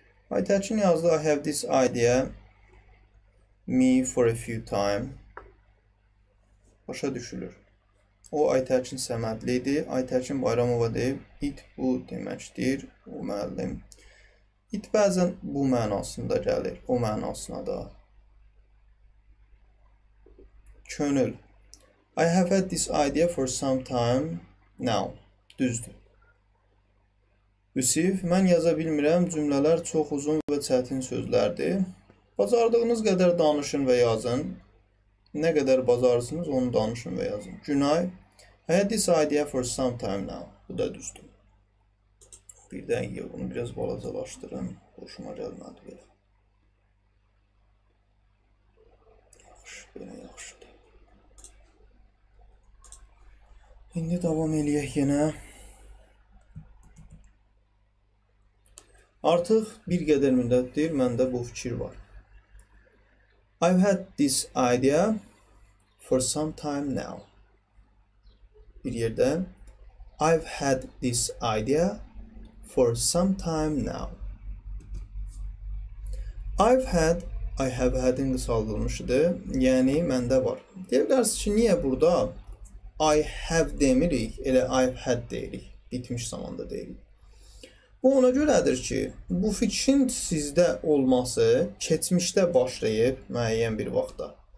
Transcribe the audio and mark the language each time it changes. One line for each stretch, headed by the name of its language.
English: Aytəkin yazdı, I have this idea, me for a few time.
Azerbaijani: Başa düşülür. O, Aytəkin Səmədli idi. Aytəkin Bayramova deyib, it bu deməkdir, o müəllim. İt bəzən bu mənasında gəlir, o mənasına da. Könül.
English: I have had this idea for some time now.
Azerbaijani: Düzdür. Yusif, mən yaza bilmirəm, cümlələr çox uzun və çətin sözlərdir. Bacardığınız qədər danışın və yazın. Nə qədər bacarsınız, onu danışın və yazın. Günay.
English: I had this idea for some time now.
Azerbaijani: Bu da düzdür. Birdən yiyə, bunu biraz balacalaşdırın. Hoşuma gəlmədi belə. Yaxşı, belə yaxşıdır. İndi davam eləyək yenə. Artıq bir qədər müddətdir, məndə bu fikir var.
English: I've had this idea for some time now.
Azerbaijani: Bir yerdə,
English: I've had this idea for some time now. I've had, I have had-
Azerbaijani: in qısaldılmışıdır, yəni məndə var. Deyə bilərsiniz ki, niyə burada I have demirik, elə
English: I've had
Azerbaijani: deyirik, bitmiş zamanda deyirik. Bu ona görədir ki, bu fikrin sizdə olması keçmişdə başlayıb müəyyən bir vaxtda.